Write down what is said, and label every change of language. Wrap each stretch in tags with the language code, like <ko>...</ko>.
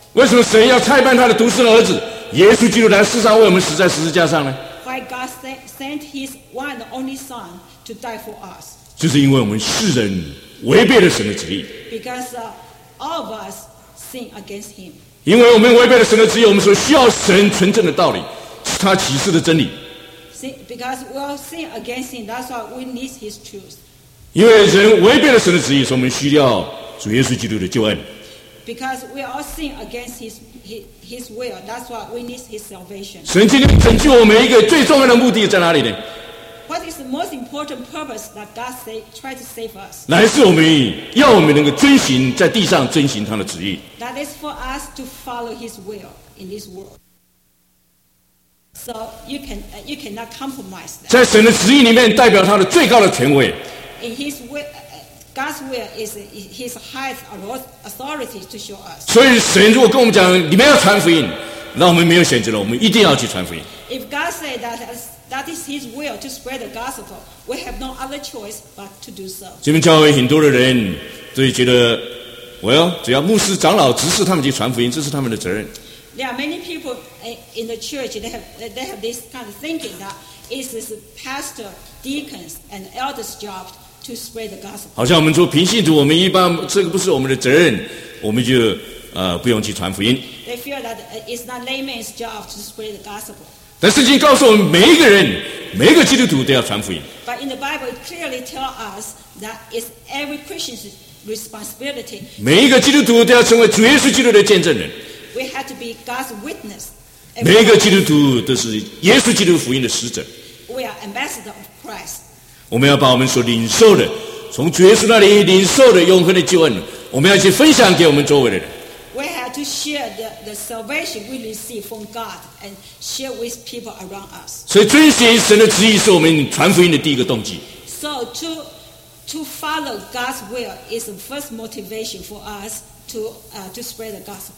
<zh>为什么神要差派他的独生儿子耶稣基督来世上为我们死在十字架上呢？</zh> <en>Why God sent his one and only son to die for us?</en> <zh>就是因为我们世人违背了神的旨意。</zh> <en>Because all of us sin against him.</en> <zh>因为我们违背了神的旨意，我们所需要神纯正的道理，是他启示的真理。</zh> <en>Because we all sin against him, that's why we need his truth.</en> <zh>因为人违背了神的旨意，所以我们需要主耶稣基督的救恩。</zh> <en>Because we all sin against his will, that's why we need his salvation.</en> <zh>神今天拯救我们一个最重要的目的在哪里呢？</zh> <en>What is the most important purpose that God tried to save us?</en> <zh>乃是我们要我们能够遵循在地上遵循他的旨意。</zh> <en>That is for us to follow his will in this world. So you cannot compromise that.</en> <zh>在神的旨意里面代表他的最高的权威。</zh> <en>In his will,God's will is His highest authority to show us.</en> <zh>所以神如果跟我们讲你们要传福音，那我们没有选择了，我们一定要去传福音。</zh> <en>If God said that is His will to spread the gospel, we have no other choice but to do so.</en> <zh>这边教会很多的人都觉得，只要牧师长老指示他们去传福音，这是他们的责任。</zh> <en>There are many people in the church they have this kind of thinking that it is pastor, deacons, and elders' job. To spread the gospel.</en> <zh>好像我们做平信徒，我们一般这个不是我们的责任，我们就不用去传福音。</zh> <en>They feel that it's not layman's job to spread the gospel.</en> <zh>但圣经告诉我们，每一个人，每一个基督徒都要传福音。</zh> <en>But in the Bible, it clearly tells us that it's every Christian's responsibility.</en> <zh>每一个基督徒都要成为主耶稣基督的见证人。</zh> <en>We have to be God's witness.</en> <zh>每一个基督徒都是耶稣基督福音的使者。</zh> <en>We are ambassador of Christ.</en> <zh>我们要把我们所领受的，从主耶稣那里领受的永恒的救恩，我们要去分享给我们周围的人。</zh> <en>We have to share the salvation we receive from God and share with people around us.</en> <zh>所以遵循神的旨意是我们传福音的第一个动机。</zh> <en>So to follow God's will is the first motivation for us to spread the gospel.</en>